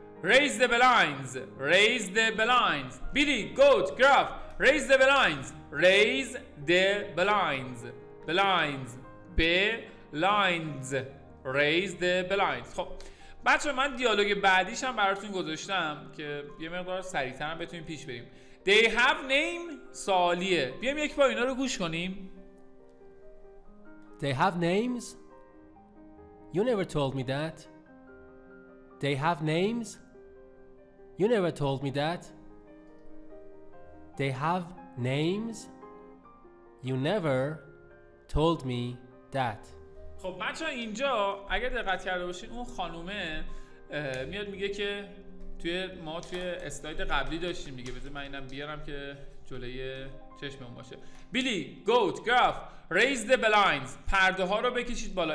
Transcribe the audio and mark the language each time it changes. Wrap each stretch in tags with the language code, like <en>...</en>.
<en>Raise the blinds, raise the blinds. Billy, goat, Gruff, raise the blinds, raise the blinds, blinds, blinds. Raise the blinds.</en> <fa>خب بچه من دیالوگ بعدیش هم براتون گذاشتم که یه مقدار سریع‌تر بتونیم پیش بریم.</fa> <en>They have name؟</en> <fa>سوالیه. بیایم یک بار اینا رو گوش کنیم.</fa> <en>They have names? You never told me that. They have names? You never told me that. They have names? You never told me that.</en> <fa>خب بچه ها اینجا اگر دقت کرده باشین اون خانومه میاد میگه که توی ما توی اسلاید قبلی داشتیم میگه بذار من اینم بیارم که جلوی چشممون باشه.</fa> <en>Billy goat Gruff raise the blinds,</en> <fa>پرده ها رو بکشید بالا.</fa>